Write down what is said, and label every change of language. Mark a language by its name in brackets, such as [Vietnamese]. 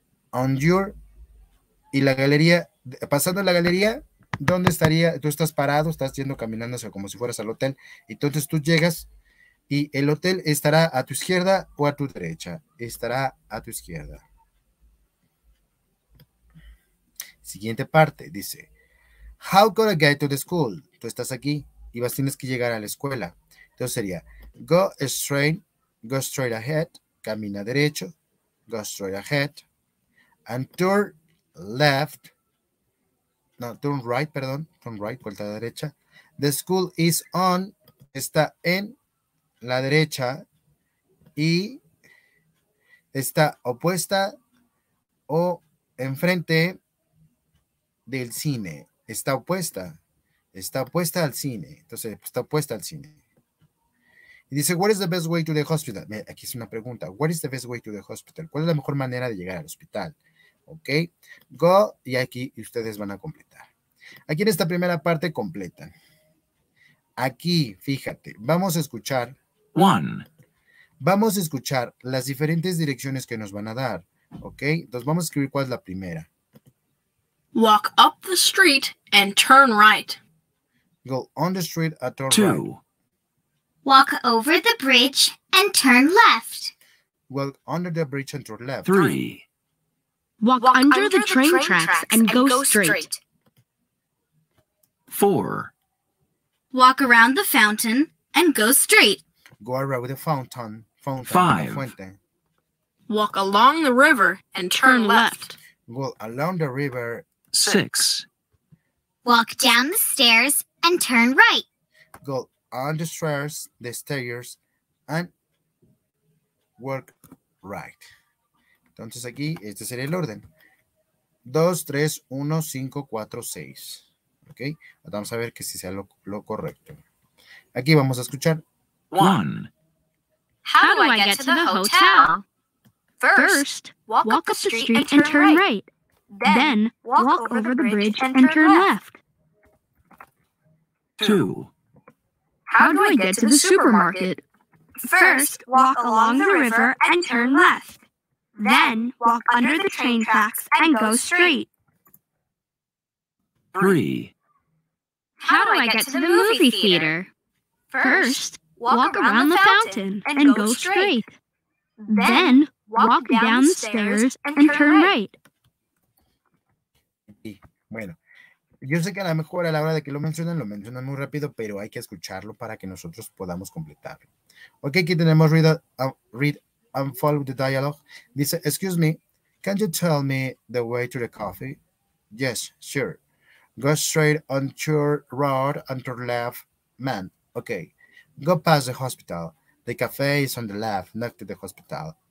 [English] On your [Spanish] y la galería. Pasando la galería, ¿dónde estaría? Tú estás parado, estás yendo caminando hacia como si fueras al hotel. Entonces tú llegas y el hotel estará a tu izquierda o a tu derecha. Estará a tu izquierda. Siguiente parte, dice, [English] how could I get to the school? [Spanish] Tú estás aquí y vas, tienes que llegar a la escuela. Entonces sería, [English] go straight ahead, [Spanish] camina derecho, [English] go straight ahead, and turn left. [Spanish] No, [English] turn right, [Spanish] vuelta a la derecha. [English] The school is on, [Spanish] está en la derecha y está opuesta o enfrente del cine. Está opuesta. Está opuesta al cine. Entonces, está opuesta al cine. Y dice, [English] what is the best way to the hospital? [Spanish] Aquí es una pregunta. [English] What is the best way to the hospital? [Spanish] ¿Cuál es la mejor manera de llegar al hospital? Ok. Go. Y aquí ustedes van a completar. Aquí en esta primera parte completan. Aquí, fíjate. Vamos a escuchar. [English] One. [Spanish] Vamos a escuchar las diferentes direcciones que nos van a dar. Ok. Entonces, vamos a escribir cuál es la primera. [English] Walk up the street and turn right. Go on the street and turn Two. Right. Walk over the bridge and turn left. Walk under the bridge and turn left. Three. Walk under the train tracks and go straight. Four. Walk around the fountain and go straight. Go around the fountain. Fountain. Five. [Spanish] Fuente. [English] Walk along the river and turn left. Walk along the river. Six. Walk down the stairs and turn right. Go on the stairs and work right. [Spanish] Entonces aquí este sería el orden. 2, 3, 1, 5, 4, 6. Ok. Vamos a ver que si sea lo correcto. Aquí vamos a escuchar. [English] One. How do I get to the hotel? First, walk up the street and turn right. Then, walk over the bridge and turn left. Two. How do I get to the supermarket? First, walk along the river and turn left. Then, walk under the train tracks and go straight. Three. How do I get to the movie theater? First, walk around the fountain and go straight. Then, walk down the stairs and turn right. [Spanish] Bueno. Yo sé que a lo mejor a la hora de que lo mencionan muy rápido, pero hay que escucharlo para que nosotros podamos completarlo. [English] Ok, [Spanish] aquí tenemos [English] read and follow the dialogue. Dice, excuse me, can you tell me the way to the coffee? Yes, sure. Go straight on your road and turn left, man. Ok, go past the hospital. The cafe is on the left, next to the hospital.